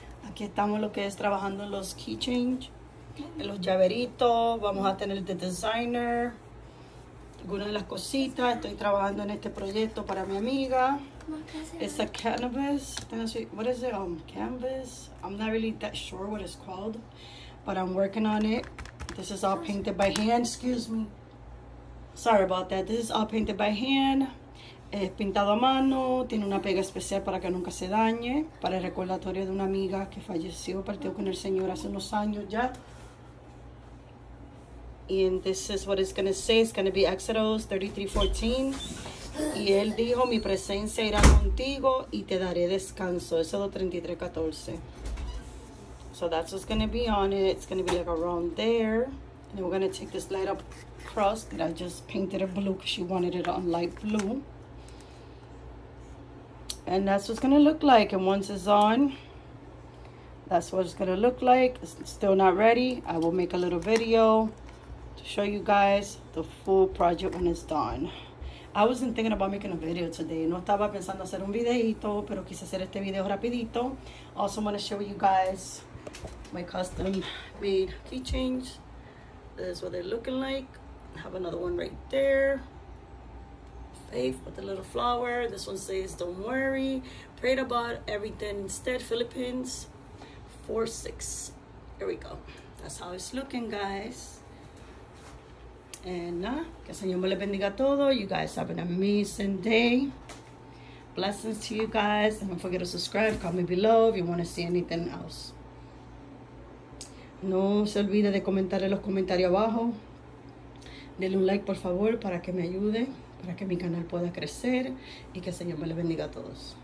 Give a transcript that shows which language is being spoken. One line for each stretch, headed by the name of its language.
Spanish: Aquí estamos lo que es trabajando en los keychains, en los llaveritos. Vamos a tener de designer. Algunas de las cositas. Estoy trabajando en este proyecto para mi amiga.
English: It's a cannabis. What is it? Canvas. I'm not really that sure what it's called, but I'm working on it. This is all painted by hand. Excuse me. Sorry about that. This is all painted by hand.
Spanish: Es pintado a mano. Tiene una pega especial para que nunca se dañe. Para el recordatorio de una amiga que falleció. Partió con el señor hace unos años ya.
English: And this is what it's going to say. It's going to be Exodus 33:14.
Spanish: Y él dijo, mi presencia irá contigo y te daré descanso. Éxodo 33:14.
English: So that's what's going to be on it. It's going to be like around there. And then we're going to take this light up cross that I just painted it blue because she wanted it on light blue. And that's what's going to look like. And once it's on, that's what it's going to look like. It's still not ready. I will make a little video to show you guys the full project when it's done. I wasn't thinking about making a video today.
Spanish: No estaba pensando hacer un videito, pero quise hacer este video rapidito.
English: Also, I want to show you guys my custom made keychains. This is what they're looking like. I have another one right there. Faith with the little flower. This one says, don't worry. Prayed about everything instead. Philippines 4:6. Here we go. That's how it's looking, guys. And
Spanish: que Señor me le bendiga todo.
English: You guys have an amazing day. Blessings to you guys. Don't forget to subscribe. Comment below if you want to see anything else.
Spanish: No se olvide de comentar en los comentarios abajo. Denle un like, por favor, para que me ayude, para que mi canal pueda crecer y que el Señor me les bendiga a todos.